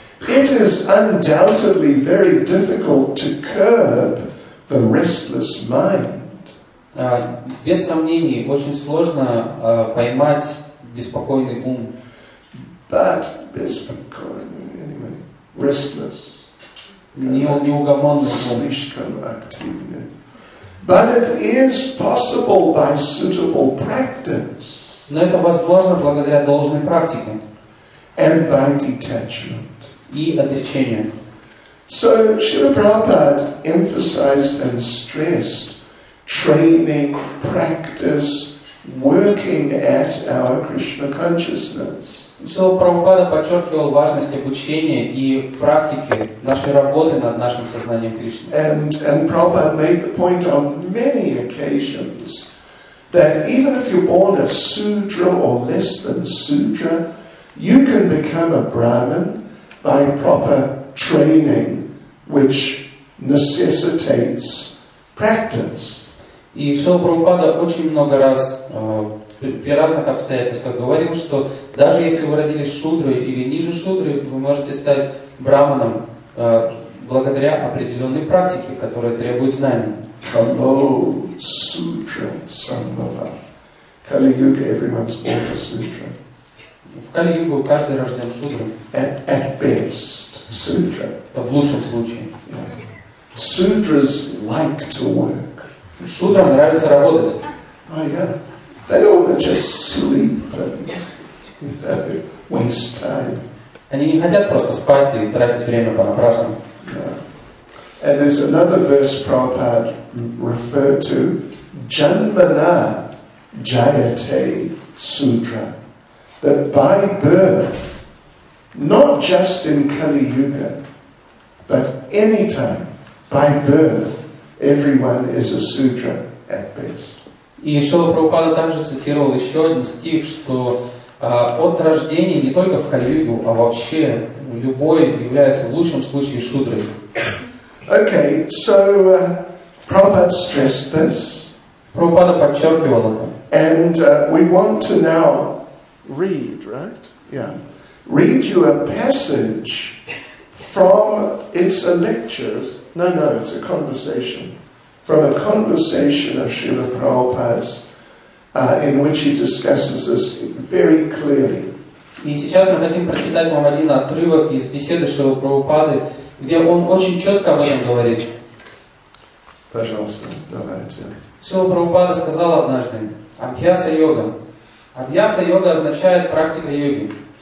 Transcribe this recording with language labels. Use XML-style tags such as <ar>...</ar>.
<en>It is undoubtedly very difficult to curb the restless mind.</en> <ru>Без сомнений, очень сложно поймать беспокойный ум.</ru> <en>But беспокойный, anyway, restless.</en> <ru>Неугомонный. Слишком активный.</ru> <en>But it is possible by suitable practice.</en> <ru>Но это возможно благодаря должной практике.</ru> <en>And by detachment.</en> <ru>И отречению.</ru> <en>So Srila Prabhupada emphasized and stressed training, practice, working at our Krishna consciousness.</en> <ru>Srila Prabhupada подчеркивал важность обучения и практики нашей работы над нашим сознанием Кришны.</ru> <en>And Prabhupada made the point on many occasions that even if you're born a sudra or less than sudra, you can become a brahmin by proper training, which necessitates practice.</en> <ru>И Шрила Прабхупада очень много раз при разных обстоятельствах говорил, что даже если вы родились шудрой или ниже шудры, вы можете стать браманом благодаря определенной практике, которая требует знаний.</ru> <en>Hello, sutra, sambhava. Kali Yuga, everyone's born a sutra.</en> <ru>В Кали-Югу каждый рожден шудрой.</ru> <en>At best, sutra.</en> <ru>Это в лучшем случае.</ru> <en>Sutras like to work.</en> <ru>Шудрам нравится работать.</ru> <en>Oh yeah. They don't want to just sleep and, you know, waste time.</en> <ru>Они не хотят просто спать и тратить время понапрасну.</ru> <en>And there's another verse Prabhupada referred to.</en> <sa>Janmana Jayate Sutra.</sa> <en>That by birth, not just in Kali Yuga, but any time, by birth, everyone is a sudra at best.</en> <ru>И Шрила Прабхупада также цитировал еще один стих, что от рождения не только в Кали Югу, а вообще любой является в лучшем случае шудрой.</ru> <en>Okay, so Prabhupada stressed this.</en> <ru>Прабхупада подчеркивал это.</ru> <en>And we want to now read, right? Yeah. Read you a passage from, it's a lecture, no, it's a conversation. From a conversation of Srila Prabhupada's, in which he discusses this very clearly.</en> <ru>И сейчас мы хотим прочитать вам один отрывок из беседы Шрилы Прабхупады, где он очень четко об этом говорит. Пожалуйста, давайте. Шрила Прабхупада сказал однажды, Абхьяса йога. Абхьяса-йога означает практика йоги.</ru>